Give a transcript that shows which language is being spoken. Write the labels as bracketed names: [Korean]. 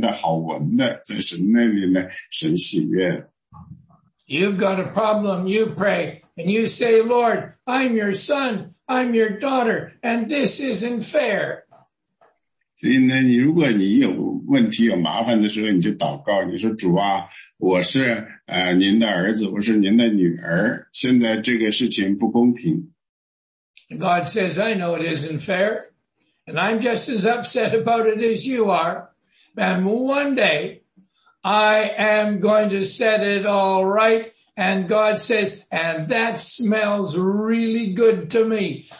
[Chinese] 这个呢，要记得这个祷告和焚香呢，它是结合在一起的。就是你的祷告，神听了，那么香是什么？香是那个香甜的好闻的，在神那里呢，神喜悦的。 [English] You've got a problem, you pray, and you say, Lord, I'm your son, I'm your daughter, and this isn't fair. [Chinese] 所以呢，如果你有问题、有麻烦的时候，你就祷告，你说，主啊，我是您的儿子，我是您的女儿，现在这个事情不公平。 [English] God says, I know it isn't fair, and I'm just as upset about it as you are, and one day, I am going to set it all right. And God says, and that smells really good to me.